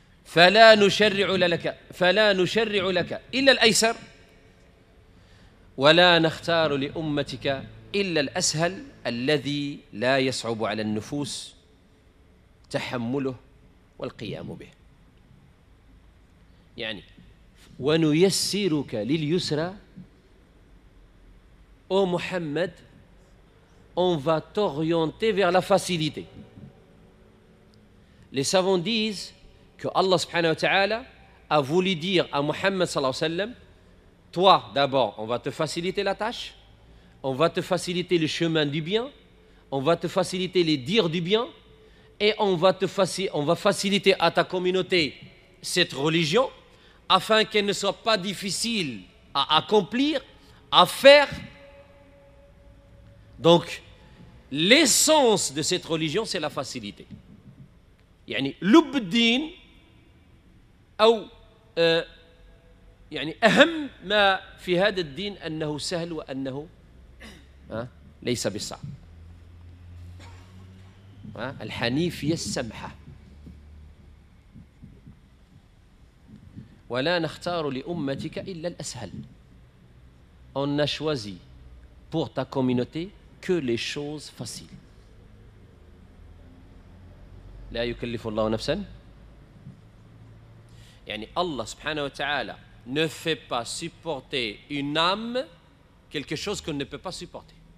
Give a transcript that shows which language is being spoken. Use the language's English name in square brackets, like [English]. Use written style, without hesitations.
[Arabic] فلا نشرع لك إلا الأيسر، ولا نختار لأمتك إلا الأسهل الذي لا يصعب على النفوس تحمله والقيام به. يعني ونيسرك لليسرى، أو محمد [French] on va t'orienter vers la facilité. Les savants disent que Allah subhanahu wa ta'ala a voulu dire à Muhammad sallallahu alayhi wa sallam, toi d'abord on va te faciliter la tâche, on va te faciliter le chemin du bien, on va te faciliter les dires du bien, et on va faciliter à ta communauté cette religion afin qu'elle ne soit pas difficile à accomplir, à faire. Donc l'essence de cette religion c'est la facilité. [Arabic] يعني لب الدين او يعني اهم ما في هذا الدين انه سهل وانه ليس بالصعب. الحنيفيه السمحه. ولا نختار لامتك الا الاسهل. [French] On a choisi pour ta communauté que les choses faciles. [Arabic] لا يكلف الله نفسا، يعني الله سبحانه وتعالى [French] ne fait pas supporter une âme quelque chose qu'on ne peut pas supporter.